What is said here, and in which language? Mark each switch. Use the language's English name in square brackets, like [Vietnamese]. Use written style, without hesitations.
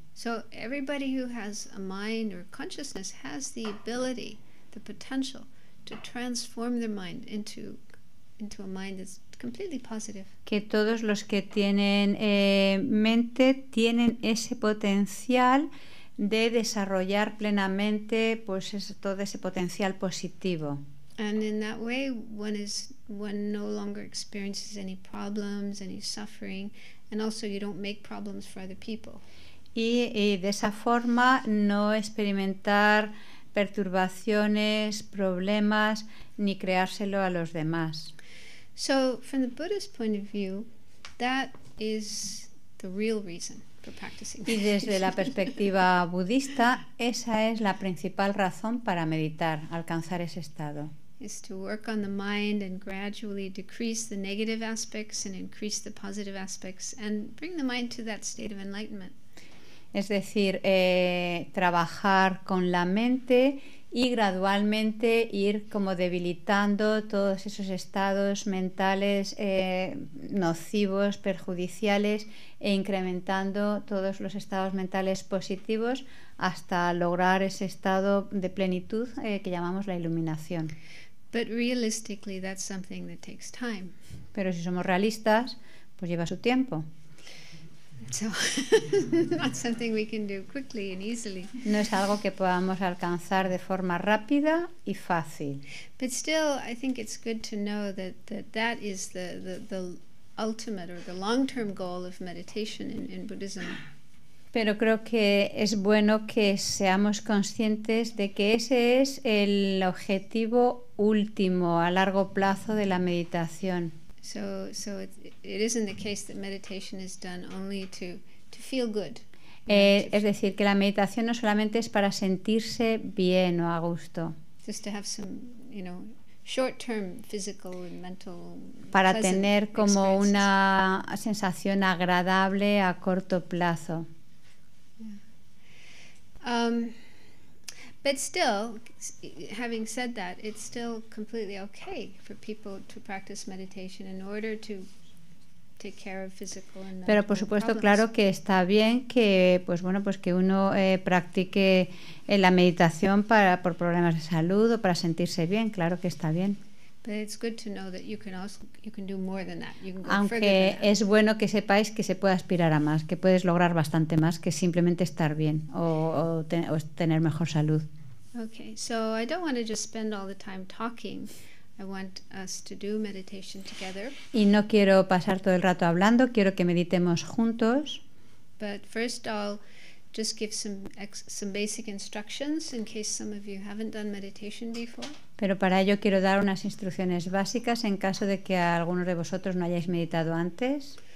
[English] So everybody who has a mind or consciousness has the ability, the potential to transform their mind into a mind that's completely positive. [Spanish] Que todos los que tienen mente tienen ese potencial de desarrollar plenamente pues todo ese potencial positivo. [English] And in that way one no longer experiences any problems, any suffering, and also you don't make problems for other people. [Spanish] Y de esa forma no experimentar perturbaciones, problemas, ni creárselo a los demás. [English] So, from the Buddha's point of view, that is the real reason for practicing. [Spanish] Y desde la perspectiva budista, esa es la principal razón para meditar, alcanzar ese estado. [English] Is to work on the mind and gradually decrease the negative aspects and increase the positive aspects and bring the mind to that state of enlightenment. [Spanish] Es decir, trabajar con la mente y gradualmente ir como debilitando todos esos estados mentales nocivos, perjudiciales, e incrementando todos los estados mentales positivos hasta lograr ese estado de plenitud que llamamos la iluminación. [English] But realistically, that's something that takes time. [Spanish] Pero si somos realistas, pues lleva su tiempo. [English] So, not something we can do quickly and easily. [Spanish] No es algo que podamos alcanzar de forma rápida y fácil. [English] But still, I think it's good to know that is the ultimate or the long-term goal of meditation in Buddhism. [Spanish] Pero creo que es bueno que seamos conscientes de que ese es el objetivo último a largo plazo de la meditación. [English] So it isn't the case that meditation is done only to feel good. [Spanish] Es decir, que la meditación no solamente es para sentirse bien o a gusto. [English] Just to have some, you know, short-term physical and mental [Spanish] para tener como una sensación agradable a corto plazo. [English] But still, having said that, it's still completely okay for people to practice meditation in order to take care of physical and mental problems. [Spanish] Pero por supuesto, claro que está bien que, pues bueno, pues que uno practique la meditación por problemas de salud o para sentirse bien. Claro que está bien. [English] But it's good to know that you can also you can do more than that. You can go further. [Spanish] Aunque es bueno que sepáis que se puede aspirar a más, que puedes lograr bastante más que simplemente estar bien o tener mejor salud. [English] Okay, so I don't want to just spend all the time talking. I want us to do meditation together. [Spanish] Y no quiero pasar todo el rato hablando, quiero que meditemos juntos. [English] But first I'll just give some basic instructions in case some of you haven't done meditation before. [Spanish] Pero para ello quiero dar unas instrucciones básicas en caso de que algunos de vosotros no hayáis meditado antes.